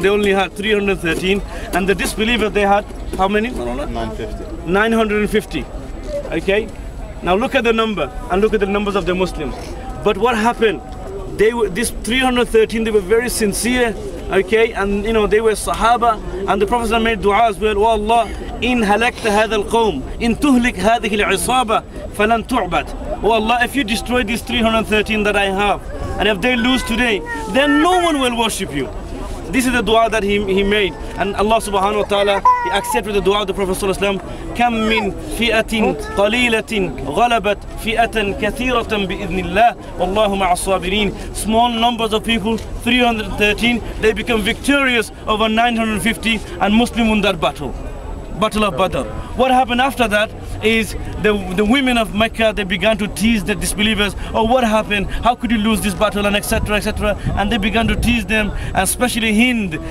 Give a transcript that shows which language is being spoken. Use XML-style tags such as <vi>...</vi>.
<en>They only had 313. And the disbelievers, they had how many? 950. Okay. Now look at the number and look at the numbers of the Muslims. But what happened? These 313, they were very sincere. Okay. And you know, they were Sahaba. And the Prophet made dua as well. Oh Allah.</en> <ar>إن هلكت هذا القوم إن تهلك هذه العصابة فلن تعبد.</ar> <en>Oh Allah, if you destroy these 313 that I have, and if they lose today, then no one will worship you. This is the dua that he made, and Allah Subhanahu wa Taala, he accepted the dua of the Prophet</en> <ar>صلى الله عليه وسلم. كم من فئة قليلة غلبت فئة كثيرة بإذن الله والله مع الصابرين.</ar> <en>Small numbers of people, 313, they become victorious over 950 and Muslim in that battle. Battle of Badr. What happened after that is the women of Mecca, they began to tease the disbelievers. Oh, what happened? How could you lose this battle? And etc. etc. And they began to tease them, and especially Hind.</en>